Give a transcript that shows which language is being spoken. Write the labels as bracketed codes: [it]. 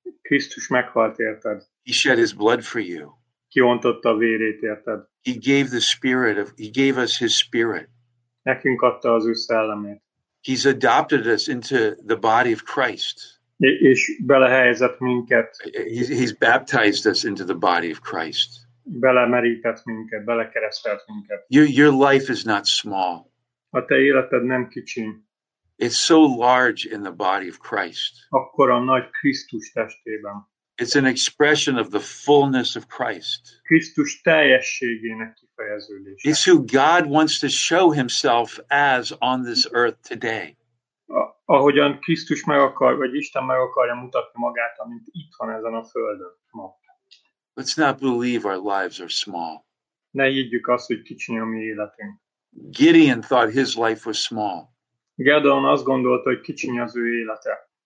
[hu] Krisztus meghalt érted. [en] He shed his blood for you. [hu] kiontotta a vérét, érted? [en] He gave the spirit of, he gave us his spirit. [hu] Nekünk adta az ő szellemét. [en] He's adopted us into the body of Christ. [hu] És belehelyezett minket. [en] He's baptized us into the body of Christ. [hu] Belemerített minket, belekeresztelt minket. [en] Your life is not small. [hu] A te életed nem kicsi. [en] It's so large in the body of Christ. [hu] Akkor a nagy Krisztus testében. [en] It's an expression of the fullness of Christ. [hu] Krisztus teljességének kifejeződése. [en] It's who God wants to show himself as on this earth today. [hu] Ahogyan Krisztus meg akar, vagy Isten meg akarja mutatni magát, amint itt van ezen a földön ma. [en] Let's not believe our lives are small. [hu] Ne higgyük azt, hogy kicsi a mi életünk. [en] Gideon thought his life was small. [hu] Gideon azt gondolta, hogy kicsi az ő élete.